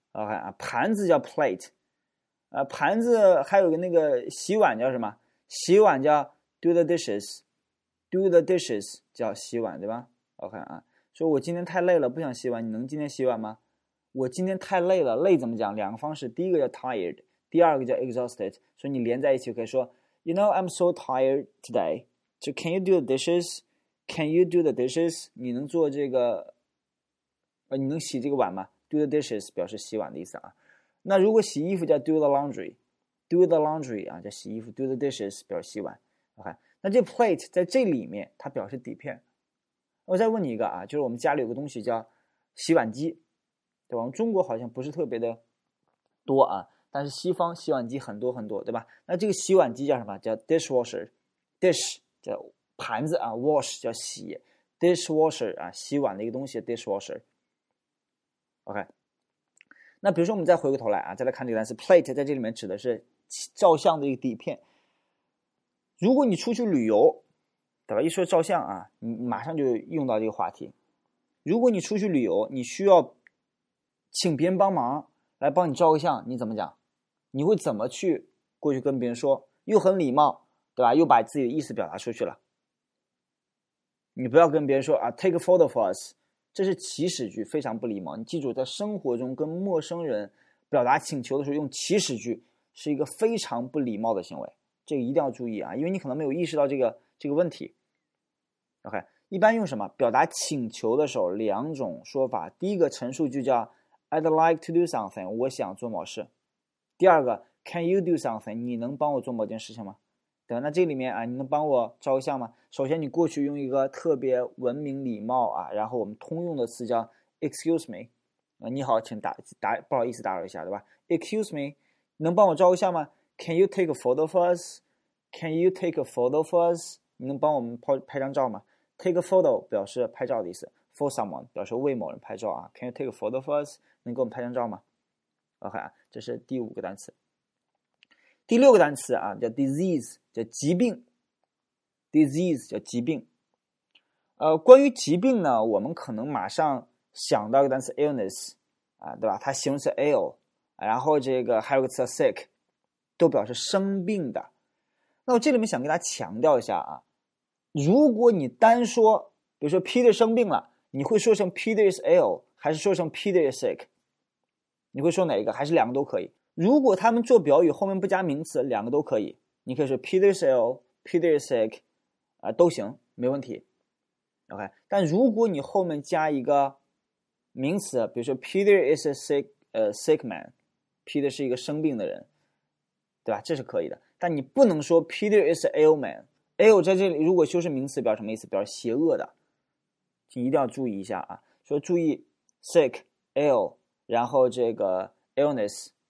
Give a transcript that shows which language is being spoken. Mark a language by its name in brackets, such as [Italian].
[Chinese] OK 啊，盘子叫 plate， 盘子还有个那个洗碗叫什么？洗碗叫 do the dishes，do the dishes 叫洗碗，对吧 ？OK 啊，说我今天太累了，不想洗碗，你能今天洗碗吗？我今天太累了，累怎么讲？两个方式，第一个叫 [English] tired， [Chinese] 第二个叫 [English] exhausted， [Chinese] 所以你连在一起可以说 [English] ，You know I'm so tired today， 就、so、Can you do the dishes？Can you do the dishes？ [Chinese] 你能做这个？你能洗这个碗吗？ Do the dishes 表示洗碗的意思啊。那如果洗衣服叫 do the laundry， do the laundry 啊，叫洗衣服。 Do the dishes 表示洗碗。 OK， 那这 plate 在这里面它表示底片。我再问你一个啊，就是我们家里有个东西叫洗碗机，对吧？中国好像不是特别的多啊，但是西方洗碗机很多很多，对吧？那这个洗碗机叫什么？叫 dishwasher，dish 叫盘子啊 ，wash 叫洗 ，dishwasher 啊，洗碗的一个东西 dishwasher。 OK， 那比如说我们再回过头来啊，再来看这个单词 plate， 在这里面指的是照相的一个底片。如果你出去旅游，对吧？一说照相啊，你马上就用到这个话题。如果你出去旅游，你需要请别人帮忙来帮你照个相，你怎么讲？你会怎么去过去跟别人说？又很礼貌，对吧？又把自己的意思表达出去了。你不要跟别人说啊 ， [English] take a photo for us。 [Chinese] 这是祈使句，非常不礼貌。你记住，在生活中跟陌生人表达请求的时候用祈使句是一个非常不礼貌的行为，这个一定要注意啊，因为你可能没有意识到这个问题。 OK， 一般用什么表达请求的时候，两种说法，第一个陈述句叫 [English] I'd like to do something， [Chinese] 我想做某事，第二个 [English] Can you do something， [Chinese] 你能帮我做某件事情吗？对，那这里面啊，你能帮我照个相吗？首先你过去用一个特别文明礼貌啊，然后我们通用的词叫 excuse me、你好，请打不好意思打扰一下，对吧？ excuse me， 能帮我照个相吗？ [English] can you take a photo for us？ can you take a photo for us？ [Chinese] 你能帮我们拍张照吗？ take a photo 表示拍照的意思， for someone 表示为某人拍照啊。 [English] can you take a photo for us？ [Chinese] 能给我们拍张照吗？OK， 这是第五个单词。第六个单词啊，叫 disease， 叫疾病。disease 叫疾病。关于疾病呢，我们可能马上想到一个单词 illness， 啊，对吧？它形容词 ill，然后这个还有个词 sick，都表示生病的。那我这里面想给大家强调一下啊，如果你单说，比如说 Peter 生病了，你会说成 [English] Peter is ill， [Chinese] 还是说成 [English] Peter is sick？ [Chinese] 你会说哪一个？还是两个都可以？如果他们做表语后面不加名词，两个都可以。你可以说 [English] Peter is ill, Peter is sick， [Chinese] 都行，没问题。 OK，但如果你后面加一个名词，比如说 [English] Peter is a sick man， [Chinese] Peter 是一个生病的人，对吧？这是可以的。但你不能说 [English] Peter is ill man。 [Chinese] ill 在这里如果修饰名词，表什么意思？表示邪恶的，请一定要注意一下啊。说注意 sick、ill，然后这个 illness。